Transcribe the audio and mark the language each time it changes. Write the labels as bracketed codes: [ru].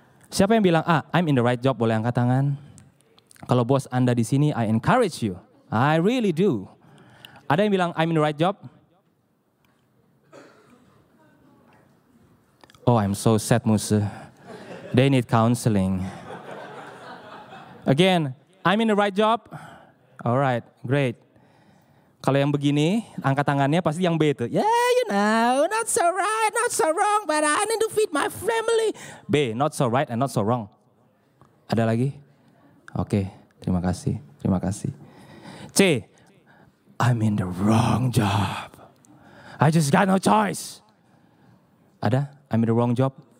[id] Siapa yang bilang, [en] I'm in the right job, [id] boleh angkat tangan. Kalau bos Anda di sini, [en] I encourage you. I really do. [id] Ada yang bilang, [en] I'm in the right job? Oh, I'm so sad, Musa. They need counseling. Again, I'm in the right job? All right, great. [id] Kalau yang begini, angkat tangannya pasti yang B itu. [en] Yeah, you know, not so right, not so wrong, but I need to feed my family. B, not so right and not so wrong. [id] Ada lagi? Oke, terima kasih, terima kasih. [en] C, I'm in the wrong job. I just got no choice. Ada? I'm in the wrong job.